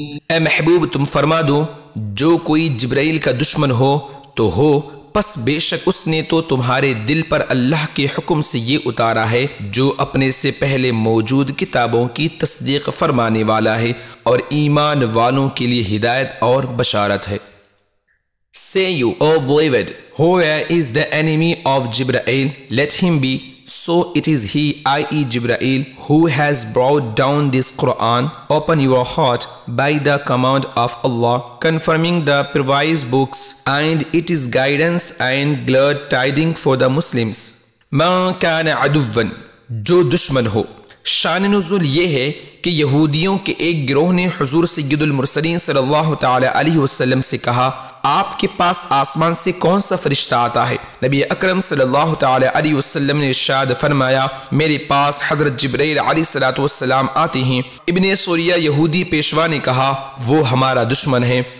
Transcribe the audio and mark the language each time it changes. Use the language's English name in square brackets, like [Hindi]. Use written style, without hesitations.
[Urdu] اے محبوب، تم فرما دو، جو کوئی جبرائیل کا دشمن ہو تو ہو، پس بے شک اس نے تو تمہارے دل پر اللہ کے حکم سے یہ اتارا ہے جو اپنے سے پہلے موجود کتابوں کی تصدیق فرمانے والا ہے اور ایمان والوں کے لیے ہدایت اور بشارت ہے۔ [English] Say you, O believer, whoever is the enemy of Jibreel, let him be. So it is he, i.e. Jibreel, who has brought down this Quran. Open your heart by the command of Allah, confirming the previous books, and it is guidance and glad tidings for the Muslims. [Arabic] مَنْ كَانَ عَدُوًا، [Urdu] جو دشمن ہو۔ شان نزول یہ ہے کہ یہودیوں کے ایک گروہ نے حضور سید المرسلین صلی اللہ تعالی علیہ وسلم سے کہا، آپ کے پاس آسمان سے کون سا فرشتہ آتا ہے؟ نبی اکرم صلی اللہ تعالی علیہ وسلم نے ارشاد فرمایا، میرے پاس حضرت جبرائیل علیہ الصلوۃ والسلام آتے ہیں۔ ابن سوریہ یہودی پیشوا نے کہا، وہ ہمارا دشمن ہے،